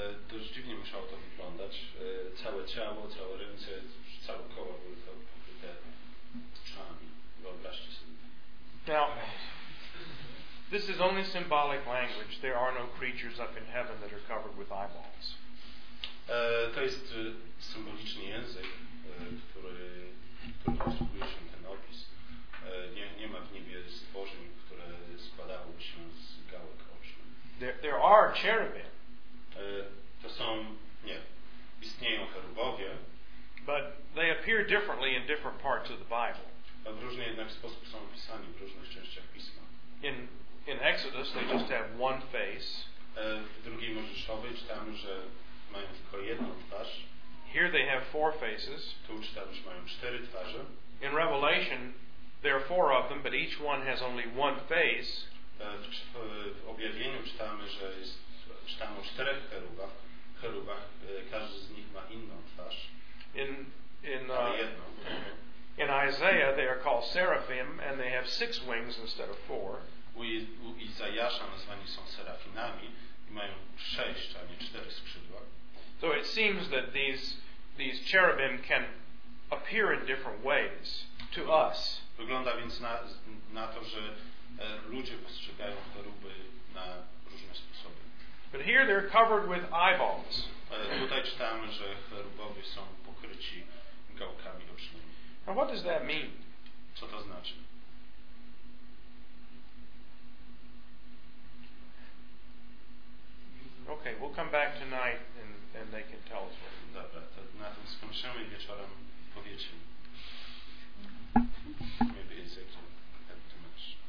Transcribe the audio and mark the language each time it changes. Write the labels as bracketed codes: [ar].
[pl] Dość dziwnie musiało to wyglądać. Całe ciało, całe ręce, całe koło były to pokryte oczami. Wyobraźcie sobie. [en] Now, this is only symbolic language. There are no creatures up in heaven that are covered with eyeballs. [pl] To jest symboliczny język, który posługuje się ten opis. Nie ma w niebie stworzeń, które składałyby się z gałek oczu. [en] There are cherubim. [pl] To są, nie, istnieją cherubowie. [en] But they appear differently in different parts of the Bible. [pl] W różny jednak sposób są opisani w różnych częściach Pisma. [en] In Exodus they just have one face. [pl] W drugiej Mojżeszowej czytamy, że mają tylko jedną twarz. [en] Here they have four faces. [pl] Tu czytamy, że mają cztery twarze. [en] In Revelation there are four of them, but each one has only one face. [pl] W Objawieniu czytamy, że jest czytamy o czterech cherubach, każdy z nich ma inną twarz. [en] In Isaiah they are called seraphim and they have six wings instead of four. [pl] U Izajasza nazwani są serafinami i mają sześć, a nie cztery skrzydła. [en] So it seems that these cherubim can appear in different ways to us. [pl] Wygląda więc na to, że ludzie postrzegają cheruby na różne sposoby. [en] But here they're covered with eyeballs. [pl] Tutaj czytamy, że cherubowie są pokryci gałkami ocznymi. [en] Now what does that mean? [pl] Co to znaczy? [en] Okay, we'll come back tonight and they can tell us what. [pl] Dobra, to na tym skończymy i wieczorem powiecie. [en] Maybe it's like you have too much.